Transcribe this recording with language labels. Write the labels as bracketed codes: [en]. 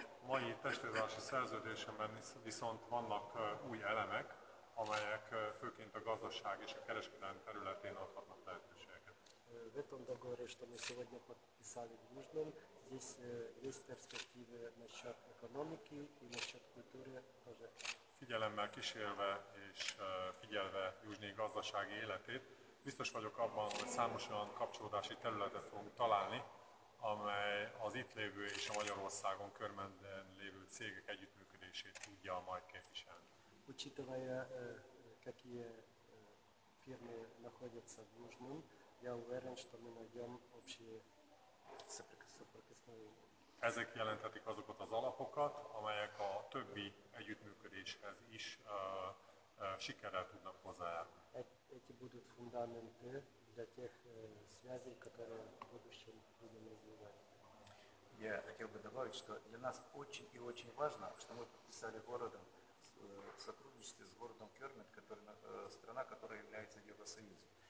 [hu] Mai testvérvárosi szerződésemben viszont vannak új elemek, amelyek főként a gazdaság és a kereskedelem területén adhatnak lehetőséget. [ru] В этом договоре, что мы сегодня подписали в Южном, здесь есть перспективы насчет экономики и насчет культуры тоже. [hu] Figyelemmel kísérve és figyelve Южné gazdasági életét, biztos vagyok abban, hogy számos olyan kapcsolódási területet fogunk találni, amely az itt lévő és a Magyarországon Kőrmenden lévő cégek együttműködését tudja majd képviselni. [ru] Учитывая, какие фирмы находятся в Южном, я уверен, что мы найдем общие соприкосновения. [hu] Ezek jelentetik azokat az alapokat, amelyek a többi együttműködéshez is sikerrel tudnak hozzájárulni. [ru] Эти будут фундаменты для тех связей, которые в будущем будем развивать. Я хотел бы добавить, что для нас очень и очень важно, что мы подписали городом в сотрудничестве с городом Кёрмит, который, страна, которая является Евросоюзом.